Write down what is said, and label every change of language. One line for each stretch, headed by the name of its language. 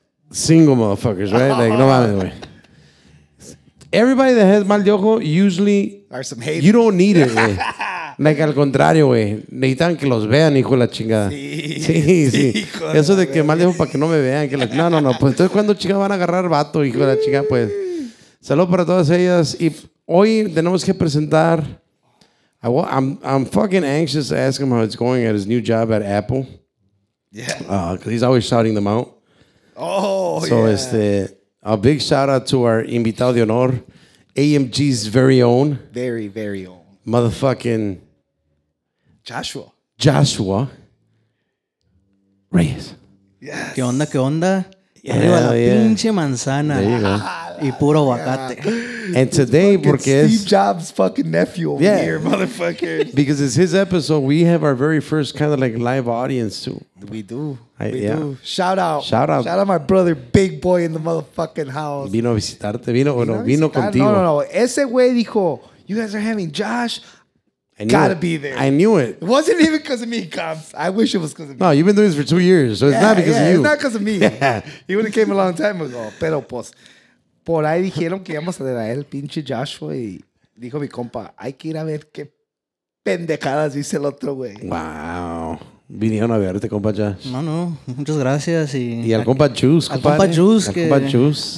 English: Single motherfuckers, right? Like,
Spanish: no mames, güey.
English: Everybody that has mal de ojo, usually... are some haters. You don't need it, güey. Like,
Spanish: al contrario, güey. Necesitan que los vean, hijo de la chingada. Sí. Sí, sí. Sí. Eso de que mal de ojo para que no me vean. Que los... No. Pues entonces, ¿cuándo chicas van a agarrar vato, hijo de la chingada? Pues, saludos para todas ellas. Y hoy tenemos que presentar...
English: I'm fucking anxious to ask him how it's going at his new job at Apple. Yeah. Because he's always shouting them out. Oh, so yeah. A big shout out to our
Spanish: invitado de honor,
English: AMG's very own. Very, very own. Motherfucking. Joshua. Joshua. Reyes.
Spanish: Yes. ¿Qué onda, qué onda? Yeah, arriba la yeah. pinche manzana.
English: There you go.
Spanish: Y puro aguacate.
English: Yeah. And today, porque es. Steve Jobs' fucking nephew over yeah. here, motherfucker. Because it's his episode, we have our very first kind of like live audience too. We do. We do. Shout out. Shout out. Shout out my brother, big boy in the motherfucking house.
Spanish: Vino a visitarte. Vino contigo.
English: No.
Spanish: Ese güey dijo,
English: you guys are having Josh. Gotta be there. I knew it. It wasn't even because of me, cops. I wish it was because of me. No, you've been doing this for 2 years, so it's not because of you. It's not because of me. He would have came a long time ago.
Spanish: Pero pues, por ahí dijeron que íbamos a ver a él, pinche Joshua, y dijo mi compa, hay que ir a ver qué pendejadas dice el otro güey. Wow. Vinieron a verte, compa Josh. No. Muchas gracias. Y al compa Chus, compa. Al compa Chus. Al compa Chus.